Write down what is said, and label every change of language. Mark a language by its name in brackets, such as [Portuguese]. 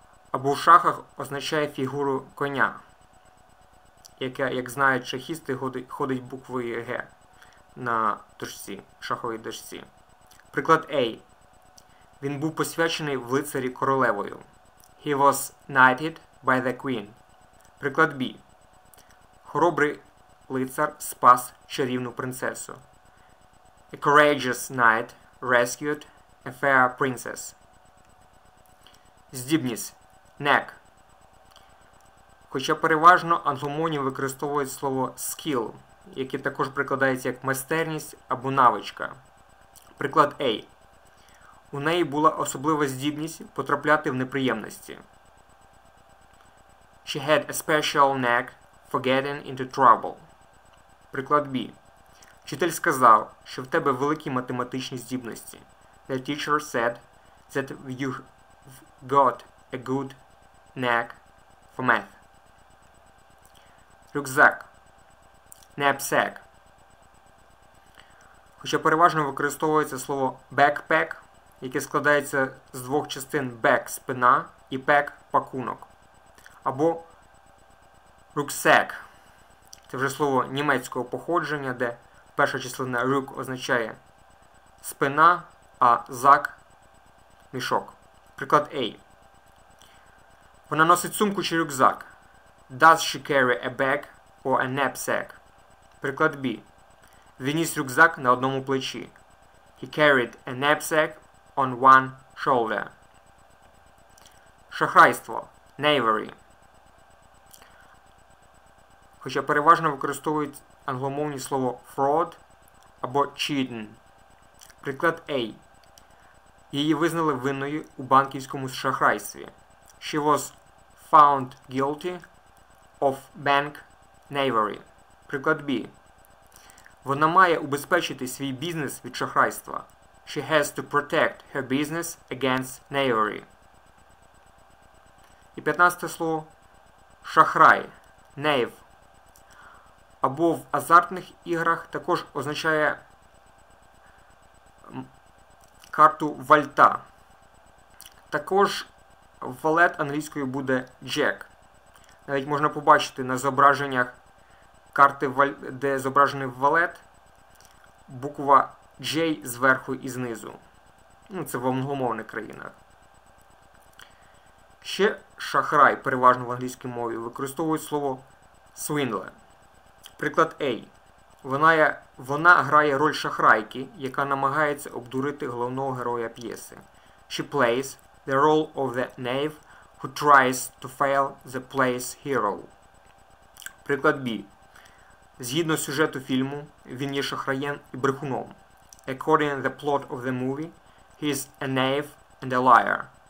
[Ukrainian] Або в шахах означає фігуру коня, яка, як знають шахісти, ходить буквою Г на дошці, шаховій дошці. Приклад A. Він був посвячений в лицарі королевою. [English] He was knighted by the queen. [Ukrainian] Приклад B. Хоробрий лицар спас чарівну принцесу. [English] A courageous knight rescued a fair princess. [Ukrainian] Здібність. Neck. Хоча переважно англомовні використовують слово skill, яке також прикладається як майстерність або навичка. Приклад A. У неї була особлива здібність потрапляти в неприємності. [English] She had a special knack for getting into trouble. [Ukrainian] Приклад B. Вчитель сказав, що в тебе великі математичні здібності. [English] The teacher said that you've got a good knack for math. [Ukrainian] Рюкзак. Knapsack. Хоча переважно використовується слово backpack, яке складається з двох частин back – спина, і pack – пакунок. Або rucksack. Це вже слово німецького походження, де перша частина rück означає спина, а zack – мішок. Приклад A. Вона носить сумку чи рюкзак. [English] Does she carry a bag or a knapsack? [Ukrainian] Приклад B. Він ніс рюкзак на одному плечі. [English] He carried a knapsack on one shoulder. [Ukrainian] Шахрайство. Knavery. Хоча переважно використовують англомовні слово fraud або cheating. Приклад A. Її визнали винною у банківському шахрайстві. [English] She was found guilty of bank knavery. [Ukrainian] Приклад B. Вона має убезпечити свій бізнес від шахрайства. [English] She has to protect her business against knavery. [Ukrainian] І 15-те слово – шахрай, knave. Або в азартних іграх також означає карту вальта. Також валет англійською буде Jack. Навіть можна побачити на зображеннях карти, де зображений валет, буква J зверху і знизу. Ну, це в англомовних країнах. Ще шахрай переважно в англійській мові використовують слово swindle. Приклад A. Вона грає роль шахрайки, яка намагається обдурити головного героя п'єси. [English] She plays the role of the knave who tries to fail the play's hero. [Ukrainian] Приклад B. Згідно сюжету фільму, він є шахраєм і брехуном. [English] According to the plot of the movie, he is a knave and a liar.